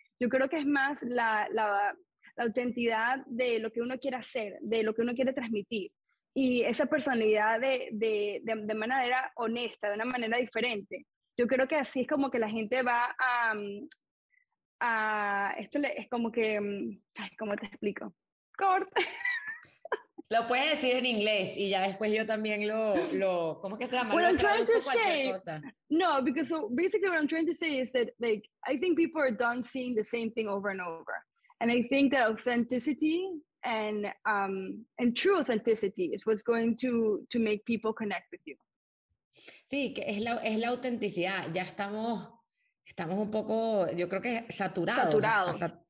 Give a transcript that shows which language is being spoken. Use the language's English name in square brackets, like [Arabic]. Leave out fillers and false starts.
[Spanish] Yo creo que es más la autenticidad de lo que uno quiere hacer, de lo que uno quiere transmitir y esa personalidad de manera honesta, de una manera diferente. Yo creo que así es como que la gente va a esto es como que, ay, ¿cómo te explico? Corte. Lo puedes decir en inglés y ya después yo también lo ¿cómo que se llama? [English] What I'm trying to say. No, because so basically what I'm trying to say is that like I think people are done seeing the same thing over and over, and I think that authenticity and true authenticity is what's going to make people connect with you. [Spanish] Sí, que es la autenticidad. Ya estamos un poco, yo creo que saturados.